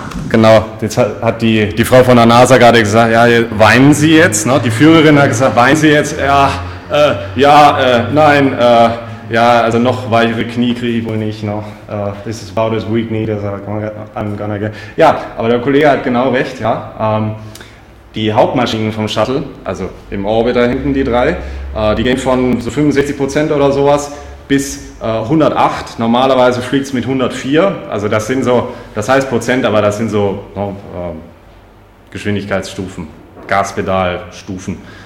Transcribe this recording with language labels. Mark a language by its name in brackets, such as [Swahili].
[German] Genau, jetzt hat die Frau von der NASA gerade gesagt, ja, weinen Sie jetzt, ne? Die Führerin hat gesagt, weinen Sie jetzt, also noch weichere Knie kriege ich wohl nicht, ne? [English] This is about as weak knee, das I'm gonna get. [German] Ja, aber der Kollege hat genau recht, ja, die Hauptmaschinen vom Shuttle, also im Orbiter hinten die drei, die gehen von so 65% oder sowas bis 108, normalerweise fliegt es mit 104, also das sind so, das heißt Prozent, aber das sind so Geschwindigkeitsstufen, Gaspedalstufen.